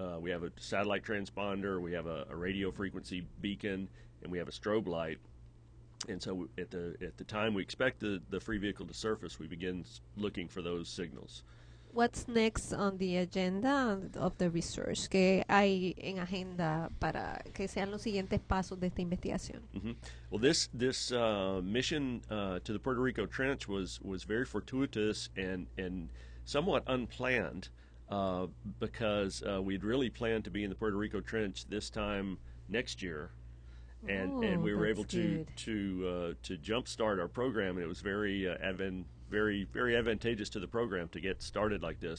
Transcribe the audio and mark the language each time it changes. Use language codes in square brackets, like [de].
[en] We have a satellite transponder, we have a radio frequency beacon, and we have a strobe light. And so at the time we expect the free vehicle to surface, we begin looking for those signals. What's next on the agenda of the research? [es] ¿Qué hay en agenda para que sean los siguientes pasos de esta investigación? Mm-hmm. [en] Well, this mission to the Puerto Rico Trench was very fortuitous and somewhat unplanned. Because we'd really planned to be in the Puerto Rico Trench this time next year, and we were able to jumpstart our program, and it was very advantageous to the program to get started like this.